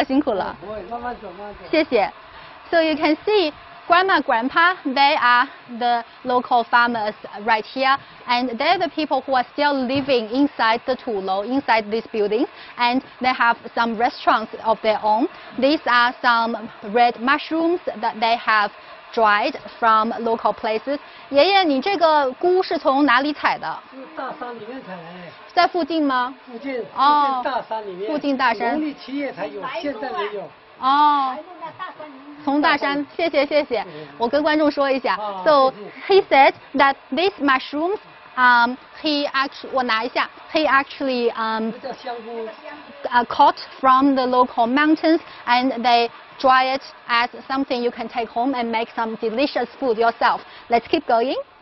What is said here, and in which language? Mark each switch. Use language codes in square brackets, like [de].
[zh] 爷爷奶奶在收拾呢。你们好，我们过来。辛苦了，辛苦了。谢谢。 [en] So you can see, Grandma, Grandpa, they are the local farmers right here, and they're the people who are still living inside the Tulou, inside this building, and they have some restaurants of their own. These are some red mushrooms that they have dried from local places. [zh] 爷爷，你这个菇是从哪里采的？大山里面采的。在附近吗？附近。哦。附近大山。农历七月才有，现在没有。哦。从大山，谢谢谢谢，我跟观众说一下。 [en] So he said that these mushrooms, caught from the local mountains, and they dry it as something you can take home and make some delicious food yourself. Let's keep going.